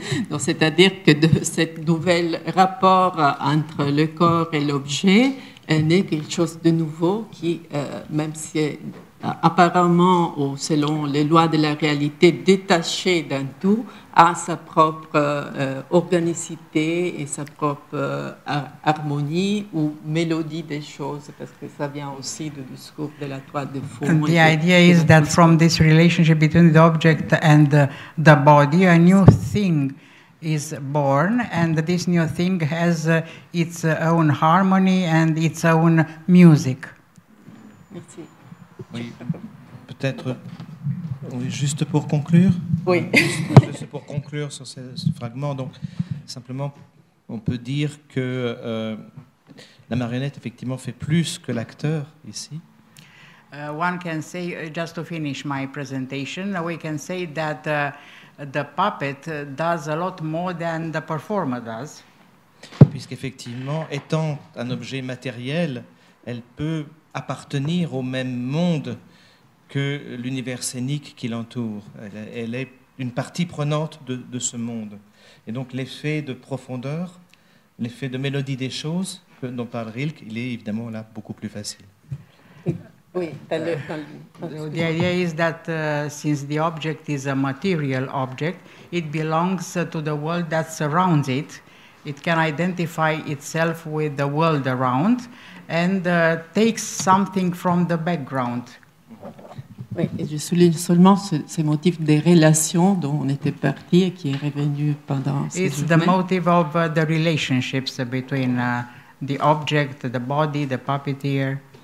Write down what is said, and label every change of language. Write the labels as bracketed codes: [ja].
[fr] Donc, c'est-à-dire que de cet nouvel rapport entre le corps et l'objet est né quelque chose de nouveau qui, même si apparemment, ou selon les lois de la réalité, détaché d'un tout, a sa propre organicité et sa propre harmonie ou mélodie des choses, parce que ça vient aussi du discours de la toile de fond. [en] The idea is that from this relationship between the object and the body, a new thing is born, and this new thing has its own harmony and its own music. [fr] Merci. Oui, peut-être. Oui, juste pour conclure. Oui. Juste pour conclure sur ce fragment. Donc, simplement, on peut dire que la marionnette effectivement fait plus que l'acteur ici. [en] One can say, just to finish my presentation, we can say that the puppet does a lot more than the performer does. [fr] Puisqu'effectivement, étant un objet matériel, elle peut appartenir au même monde que l'univers scénique qui l'entoure. Elle est une partie prenante de ce monde. Et donc l'effet de profondeur, l'effet de mélodie des choses dont parle Rilke, il est évidemment là beaucoup plus facile. [en] The idea is that since the object is a material object, it belongs to the world that surrounds it. It can identify itself with the world around and takes something from the background. [fr] Oui, et je souligne seulement ces motifs des relations dont on était parti et qui est revenu pendant ces journées. [en] It's the motive of the relationships between the object, the body, the puppeteer.